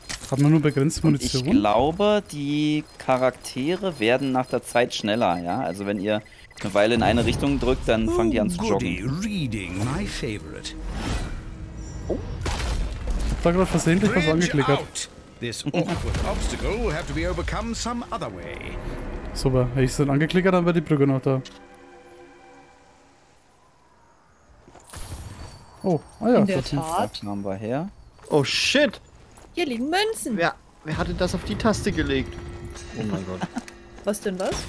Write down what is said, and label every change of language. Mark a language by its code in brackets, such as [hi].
[de] Hat man nur begrenzte Munition? Ich glaube, die Charaktere werden nach der Zeit schneller, ja? Also wenn ihr eine Weile in eine Richtung drückt, dann fangen die an zu joggen. [en] Reading, my favorite. [de] Ich hab da gerade versehentlich was angeklickert. [en] This awkward obstacle will have to be overcome some other way. [de] Super, hätte ich es dann angeklickert, dann wäre die Brücke noch da. Oh, ah ja, haben wir her. [en] Oh shit! [de] Hier liegen Münzen! Wer hatte das auf die Taste gelegt? Oh mein Gott. Was denn was?